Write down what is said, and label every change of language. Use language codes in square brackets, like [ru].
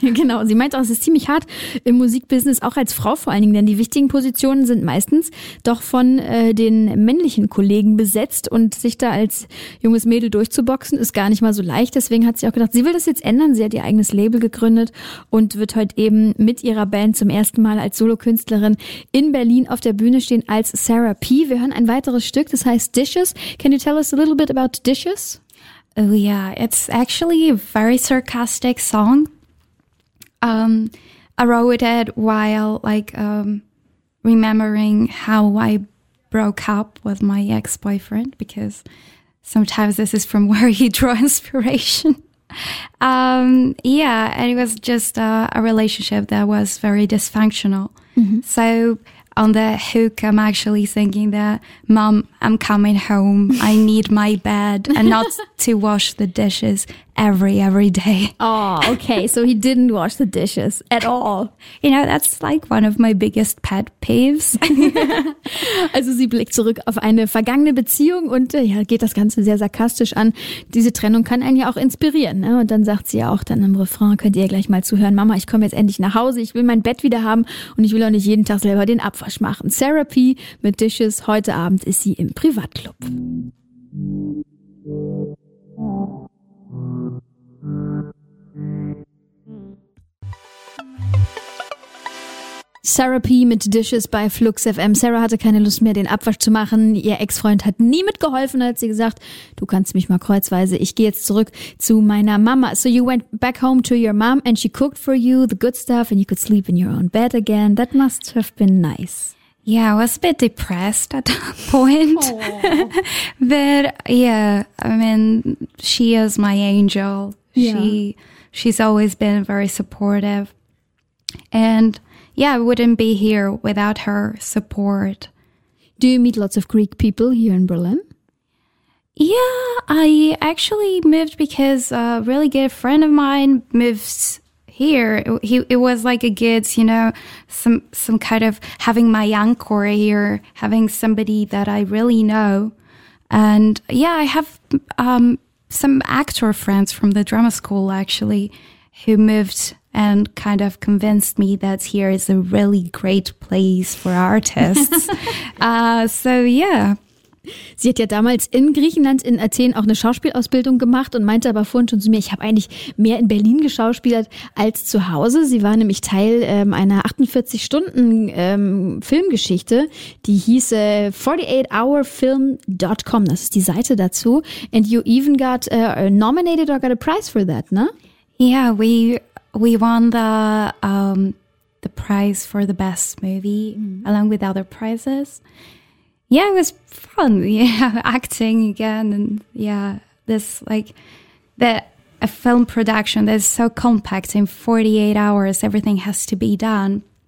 [de] Genau, sie meint auch, es ist ziemlich hart im Musikbusiness, auch als Frau vor allen Dingen, denn die wichtigen Positionen sind meistens doch von den männlichen Kollegen besetzt und sich da als junges Mädel durchzuboxen, ist gar nicht mal so leicht. Deswegen hat sie auch gedacht, sie will das jetzt ändern. Sie hat ihr eigenes Label gegründet und wird heute eben mit ihrer Band zum ersten Mal als Solokünstlerin in Berlin auf der Bühne stehen als Sarah P. Wir hören ein weiteres Stück, das heißt Dishes. [en] Can you tell us a little bit about Dishes? Oh yeah, it's actually a very sarcastic song. I wrote it while remembering how I broke up with my ex-boyfriend, because sometimes this is from where you draw inspiration. And it was just a relationship that was very dysfunctional. Mm-hmm. So on the hook, I'm actually thinking that, Mom, I'm coming home. I need my bed and not to wash the dishes every day. Oh, okay. So he didn't wash the dishes at all. You know, that's like one of my biggest pet peeves. [de] Also sie blickt zurück auf eine vergangene Beziehung und ja, geht das Ganze sehr sarkastisch an. Diese Trennung kann einen ja auch inspirieren. Ne? Und dann sagt sie ja auch dann im Refrain, könnt ihr ja gleich mal zuhören, Mama, ich komme jetzt endlich nach Hause, ich will mein Bett wieder haben und ich will auch nicht jeden Tag selber den Abwasch machen. Therapy mit Dishes, heute Abend ist sie im Privatclub. Therapy mit Dishes bei Flux FM. Sarah hatte keine Lust mehr, den Abwasch zu machen. Ihr Ex-Freund hat nie mitgeholfen, hat sie gesagt, du kannst mich mal kreuzweise. Ich gehe jetzt zurück zu meiner Mama. [en] So you went back home to your mom and she cooked for you the good stuff and you could sleep in your own bed again. That must have been nice. Yeah, I was a bit depressed at that point. But yeah, I mean, she is my angel. Yeah. She's always been very supportive. And yeah, I wouldn't be here without her support. Do you meet lots of Greek people here in Berlin? Yeah, I actually moved because a really good friend of mine moved here. It was like a good, you know, some kind of having my anchor here, having somebody that I really know. And yeah, I have some actor friends from the drama school, actually, who moved and kind of convinced me that here is a really great place for artists. So, yeah. [de] Sie hat ja damals in Griechenland, in Athen, auch eine Schauspielausbildung gemacht und meinte aber vorhin schon zu mir, ich habe eigentlich mehr in Berlin geschauspielert als zu Hause. Sie war nämlich Teil einer 48-Stunden- Filmgeschichte, die hieß 48hourfilm.com. Das ist die Seite dazu. [en] And you even got nominated or got a prize for that, ne? Yeah, we won the prize for the best movie, mm-hmm, along with other prizes. Yeah, it was fun. Yeah, acting again, and yeah, this like a film production that's so compact in 48 hours, everything has to be done.